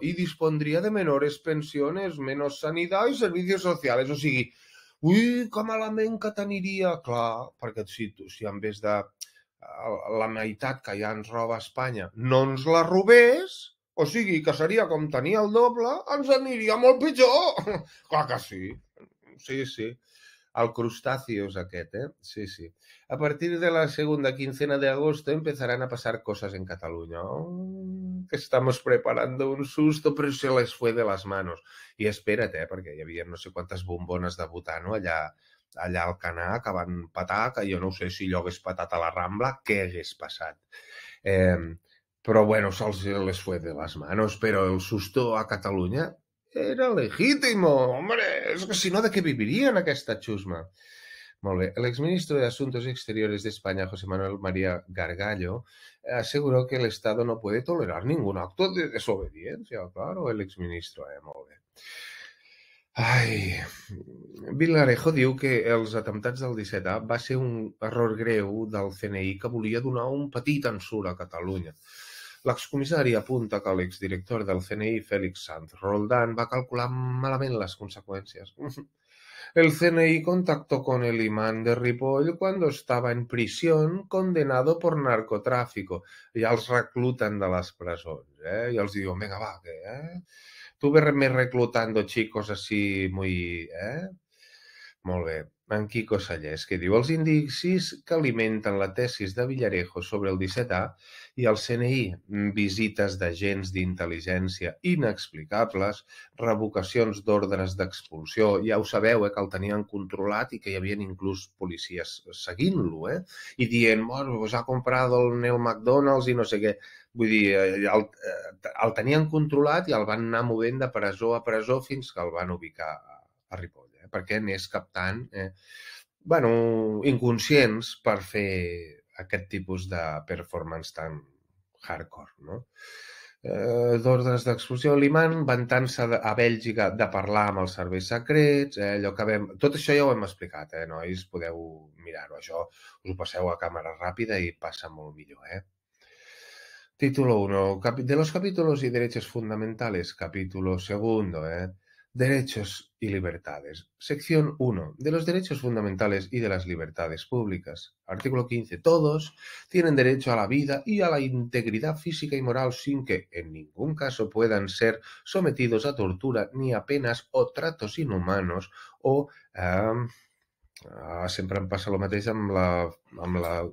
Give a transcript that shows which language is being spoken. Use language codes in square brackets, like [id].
[es] Y dispondría de menores pensiones, menos sanidad y servicios sociales. [ca] O sea, ui, que malament que t'aniria, clar, perquè si en vez de la meitat que ja ens roba Espanya no ens la robés, o sigui, que seria com tenir el doble, ens aniria molt pitjor. Clar que sí. Sí. El crustaci és aquest, eh? Sí. [es] A partir de la segunda quincena de agosto empezarán a pasar cosas en Cataluña. Oh, que estamos preparando un susto, pero se les fue de las manos. [ca] I espera't, perquè hi havia no sé quantes bombones de butano allà al Canà que van petar, que jo no ho sé si allò hagués petat a la Rambla, què hagués passat. Però bueno, [es] se'ls les fue de las manos, [ca] però [es] el susto a Catalunya era legítimo, [ca] hombre, és que si no, de què vivirien aquesta xusma? Molt bé, l'exministre de Assumptes Exteriors d'Espanya, José Manuel María Gargallo, asseguró que l'Estat [es] no puede tolerar ningún acto [ca] de desobediència, claro, l'exministre, molt bé. Ai, Villarejo diu que els atemptats del 17A va ser un error greu del CNI que volia donar un petit ensurt a Catalunya. L'excomissari apunta que l'exdirector del CNI, Félix Sanz Roldán, va calcular malament les conseqüències. [es] El CNI contactó con el imán de Ripoll cuando estaba en prisión condenado por narcotráfico. [ca] Ja els recluten de les presons, eh? I els diuen, vinga, va, què, eh? [es] Tú verme reclutando chicos así muy... [ca] Eh? Molt bé. En Quico Sallés, que diu, els indicis que alimenten la tesi de Villarejo sobre el 17A i el CNI, visites d'agents d'intel·ligència inexplicables, revocacions d'ordres d'expulsió, ja ho sabeu, que el tenien controlat i que hi havia inclús policies seguint-lo, eh? I dient, bueno, us ha comprat el Neil McDonald's i no sé què. Vull dir, el tenien controlat i el van anar movent de presó a presó fins que el van ubicar a Ripoll. Perquè n'és captant, bueno, inconscients per fer aquest tipus de performance tan hardcore, no? D'ordres d'expulsió, l'imant vantant-se a Bèlgica de parlar amb els serveis secrets, allò que vam... Tot això ja ho hem explicat, nois, podeu mirar-ho, això us ho passeu a càmera ràpida i passa molt millor, eh? [es] Título 1, de los capítulos y derechos fundamentales, capítulo 2, eh? Derechos y libertades. Sección 1. De los derechos fundamentales y de las libertades públicas. Artículo 15. Todos tienen derecho a la vida y a la integridad física y moral sin que en ningún caso puedan ser sometidos a tortura ni a penas o tratos inhumanos o... [ca] sempre em passa el mateix amb la...